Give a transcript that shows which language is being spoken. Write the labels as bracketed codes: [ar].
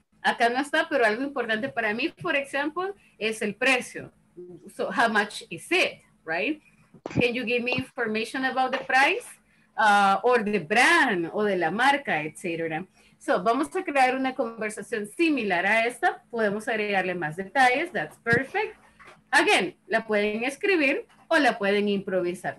[es] Acá no está, pero algo importante para mí, [en] for example, [es] es el precio. [en] So how much is it, right? Can you give me information about the price? Or the brand, [es] o de la marca, [en] etc. [es] So vamos a crear una conversación similar a esta. Podemos agregarle más detalles. [en] That's perfect. [es] Again, la pueden escribir o la pueden improvisar.